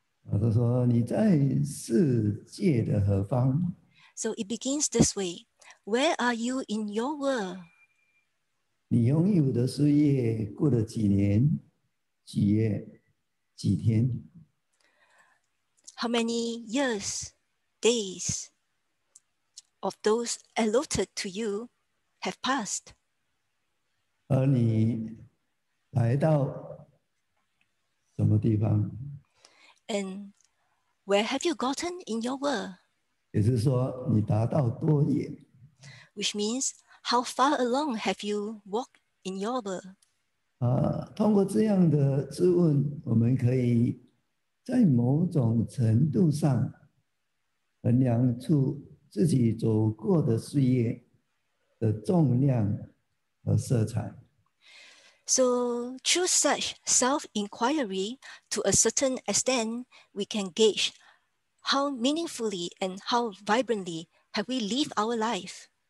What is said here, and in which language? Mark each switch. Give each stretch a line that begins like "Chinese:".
Chinese: 他说你在世界的何方？
English: So it begins this way. Where are you in your world?
Chinese: 你拥有的岁月过了几年、几月、几天？
English: How many years, days of those allotted to you have passed.
Chinese: 而你来到什么地方?
English: And where have you gotten in your world?
Chinese: 也就是说你达到多远?
English: Which means how far along have you walked in your world?
Chinese: 通过这样的质问, 我们可以在某种程度上衡量出 自己走过的岁月的重量和色彩。
English: So through such self-inquiry, to a certain extent, we can gauge how meaningfully and how vibrantly have we lived our life.